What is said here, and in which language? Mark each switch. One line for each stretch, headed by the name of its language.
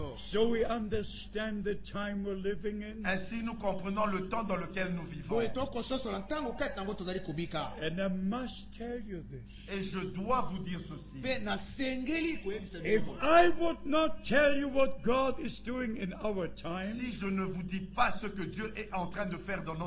English: So we understand the time we're living in.
French: Ainsi nous comprenons le temps dans lequel nous vivons.
English: And I must tell you this.
French: Et je dois vous dire ceci.
English: If I would not tell you what God is doing in our time,
French: si je ne vous dis pas ce que Dieu est en train de faire dans notre